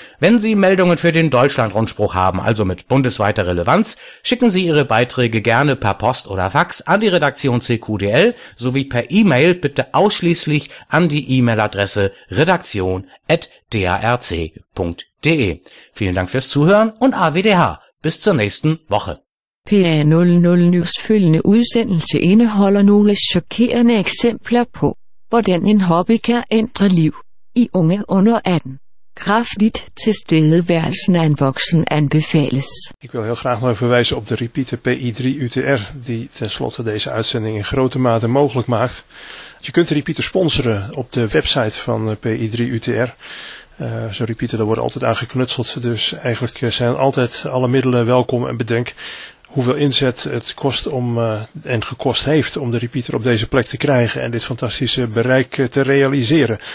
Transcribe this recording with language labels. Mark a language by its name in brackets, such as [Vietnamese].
[German] Wenn Sie Meldungen für den Deutschland-Rundspruch haben, also mit bundesweiter Relevanz, schicken Sie Ihre Beiträge gerne per Post oder Fax an die Redaktion CQDL sowie per E-Mail bitte ausschließlich an die E-Mail-Adresse redaktion@darc.de. Vielen Dank fürs Zuhören und AWDH. Bis zur nächsten Woche. [Danish] PA00 News følgende udsendelse indeholder nogle chokerende eksempler på, hvordan en hobby kan ændre liv i unge under 18. Kraftigt tilstedeværelsen af en voksen anbefales. [Dutch] Ik wil heel graag nog even wijzen op de repeater PI3UTR, die tenslotte deze uitzending in grote mate mogelijk maakt. Je kunt de repeater sponsoren op de website van PI3UTR. Zo'n repeater, daar wordt altijd aan geknutseld, dus eigenlijk zijn altijd alle middelen welkom en bedenk hoeveel inzet het kost om en gekost heeft om de repeater op deze plek te krijgen en dit fantastische bereik te realiseren.